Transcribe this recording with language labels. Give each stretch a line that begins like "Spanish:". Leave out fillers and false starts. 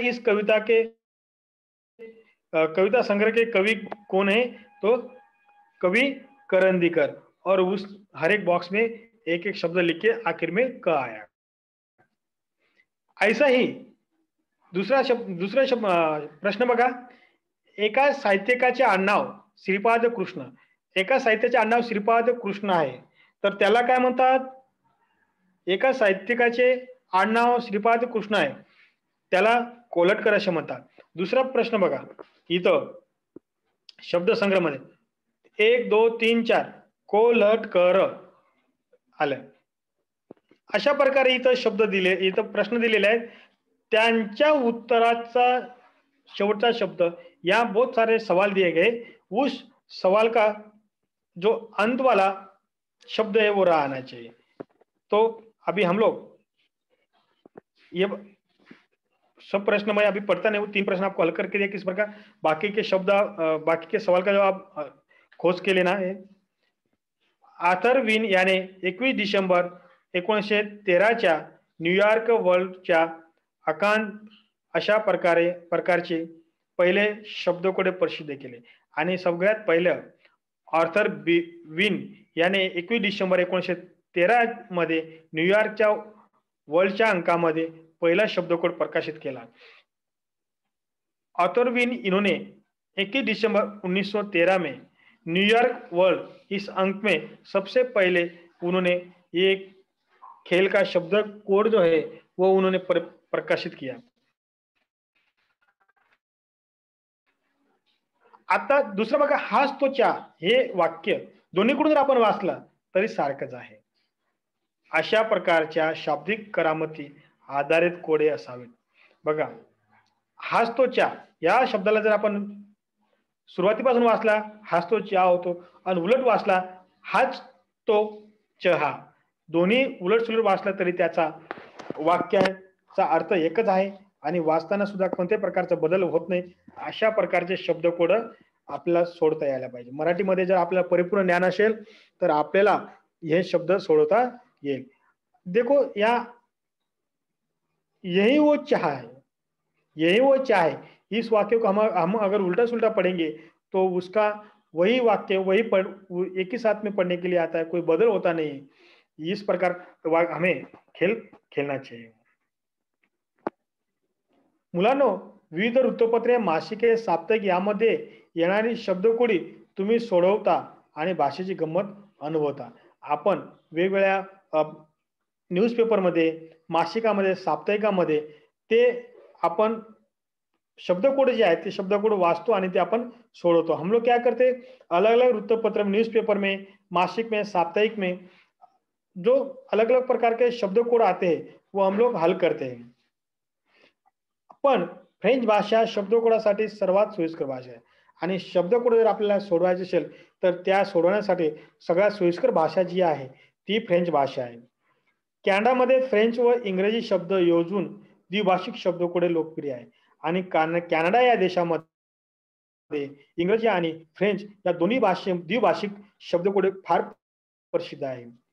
Hindi: इस कविता के कविता संग्रह के कवि कौन है तो कवि करंदीकर, और उस हर एक बॉक्स में एक एक शब्द लिख के आखिर में क आया। ऐसा ही दूसरा शब्द,
Marathi: दूसरा शब्द प्रश्न बघा, एका साहित्यकाचे आडनाव श्रीपाद कृष्ण, एका साहित्याचे आडनाव श्रीपाद कृष्ण आहे तर त्याला काय म्हणतात, एका साहित्यकाचे आडनाव श्रीपाद कृष्ण आहे त्याला कोलटकर असे म्हणतात। दुसरा प्रश्न बघा, इथं शब्द संग्रह मध्ये एक दो तीन चार कोलटकर आले, अशा प्रकारे इथं शब्द दिले, इथं प्रश्न दिलेले आहेत, त्यांच्या उत्तराचा शेवटचा शब्द, या
Hindi: बहुत सारे सवाल दिए गए, उस सवाल का जो अंत वाला शब्द है वो रहा आना चाहिए। तो अभी हम लोग ये सब प्रश्न मैं अभी पढ़ता नहीं हूँ, तीन प्रश्न आपको हल करके दिया किस प्रकार, बाकी के शब्द बाकी के सवाल का जो आप खोज के लेना है।
Marathi: आर्थर विन यानी 21 डिसेंबर 1913 च्या न्यूयॉर्क वर्ल्ड च्या अकांत अशा प्रकारे प्रकारचे पहिले शब्दकोडे प्रसिद्ध केले, आणि सगळ्यात पहिलं आर्थर विन याने 21 डिसेंबर 1913 मध्ये न्यूयॉर्कच्या वर्ल्डच्या अंकामध्ये पहिला शब्दकोड प्रकाशित केला।
Hindi: आर्थर विन इन्होने 21 डिसेंबर 1913 में न्यूयॉर्क वर्ल्ड इस अंक में सबसे पहले उन्होंने एक खेल का शब्द कोड जो है वो उन्होंने प्रकाशित किया।
Marathi: आता दुसरं बघा, हाच तो चा हे वाक्य दोन्हीकडून जर आपण वाचलं तरी सारखंच आहे, अशा प्रकारच्या शाब्दिक करामती आधारित कोडे असावेत। बघा हाच तो चा या शब्दाला जर आपण सुरुवातीपासून वाचला हाच तो चा होतो, आणि उलट वाचला हाच तो चहा, दोन्ही उलट सुलट वाचलं तरी त्याचा वाक्याचा अर्थ एकच आहे, आणि वाचताना सुद्धा कोणत्याही प्रकारचा बदल होत नाही, अशा प्रकारचे शब्दकोड आपल्याला सोडता यायला पाहिजे। मराठीमध्ये जर आपल्याला परिपूर्ण ज्ञान असेल तर आपल्याला हे शब्द सोडवता येईल।
Hindi: देखो या यही वो चहा आहे, यही वो चहा आहे, इस वाक्य को हम अगर उलटा सुलटा पढ़ेंगे तो उसका वही वाक्य वही एक ही साथ में पढ़ने के लिए आता है, कोई बदल होता नहीं, इस प्रकार हमें खेल खेलना चाहिए।
Marathi: मुलांनो विविध वृत्तपत्रे मासिके साप्ताहिक यामध्ये येणारी शब्दकोडी तुम्ही सोडवता आणि भाषेची गंमत अनुभवता। आपण वेगवेगळ्या न्यूजपेपरमध्ये मासिकामध्ये साप्ताहिकामध्ये ते आपण शब्दकोड जे आहेत ते शब्दकोड वाचतो आणि ते आपण सोडवतो।
Hindi: हम लोग क्या करते अलग अलग वृत्तपत्र न्यूजपेपर में मासिक में साप्ताहिक में जो अलग अलग प्रकार के शब्दकोड आते हैं वो हम लोग हल करते हैं।
Marathi: पण फ्रेंच भाषा शब्दकोडासाठी सर्वात सोयीस्कर भाषा आहे, आणि शब्दकोड जर आपल्याला सोडवायचे असेल तर त्या सोडवण्यासाठी सगळ्यात सोयीस्कर भाषा जी आहे ती फ्रेंच भाषा आहे। कॅनडामध्ये फ्रेंच व इंग्रजी शब्द योजून द्विभाषिक शब्दकोडे लोकप्रिय आहे, आणि कॅनडा या देशामध्ये इंग्रजी आणि फ्रेंच या दोन्ही भाषे द्विभाषिक शब्दकोडे फार प्रसिद्ध आहे।